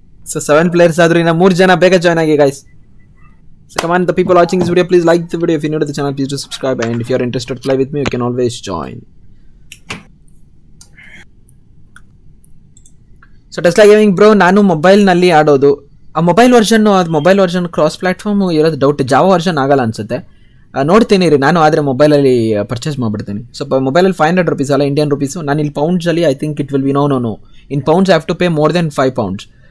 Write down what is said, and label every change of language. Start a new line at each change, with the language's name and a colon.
English: So 7 players
Kannada: ಆದ್ರೆ ಇನ್ನ 3 ಜನ ಬೇಗ ಜಾಯ್ನ್ ಆಗಿ guys.
English: So come on the people watching this video, please like the video. If you're new to the channel, please do subscribe, and if you're interested to play with me, you can always join.
Kannada: So Tesla Gaming bro, ನಾನು mobile ನಲ್ಲಿ ಆಡೋದು. ಆ mobile version, mobile version cross platform ಇರೋದು doubt. Java version ಆಗಲ್ಲ ಅನ್ಸುತ್ತೆ, ನೋಡ್ತೀನಿ ರೀ ನಾನು. ಆದರೆ ಮೊಬೈಲಲ್ಲಿ ಪರ್ಚೇಸ್ ಮಾಡ್ಬಿಡ್ತೀನಿ. ಸೊ ಮೊಬೈಲಲ್ಲಿ 500 rupees ಅಲ್ಲ, ಇಂಡಿಯನ್ ರುಪೀಸು. ನಾನು ಇಲ್ಲಿ ಪೌಂಡ್ಸಲ್ಲಿ
English: I think it will be no in pounds have to pay more than 5 pounds.